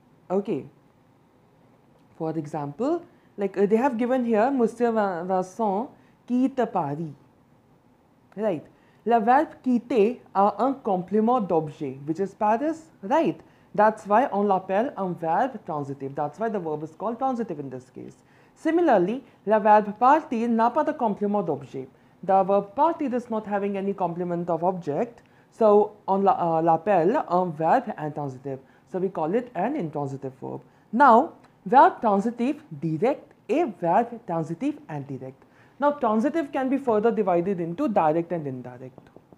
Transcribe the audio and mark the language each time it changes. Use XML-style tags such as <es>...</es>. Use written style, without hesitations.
<en>Okay. For example, like they have given here,</en> <fr>Monsieur Vincent quitte Paris.</fr> <en>Right.</en> <fr>Le verbe quitter a un complément d'objet,</fr> <en>which is Paris.</en> <fr>Right.</fr> <en>That's why</en> <fr>on l'appelle un verbe transitive.</fr> <en>That's why the verb is called transitive in this case.</en> <fr>Similarly, le verbe partir n'a pas de complément d'objet.</fr> <en>The verb partir is not having any complement of object.</en> <fr>So, on l'appelle un verbe intransitive.</fr> <en>So, we call it an intransitive verb. Now,</en> <fr>verbe transitive direct et verbe transitive indirect.</fr> <en>Now, transitive can be further divided into direct and indirect.</en>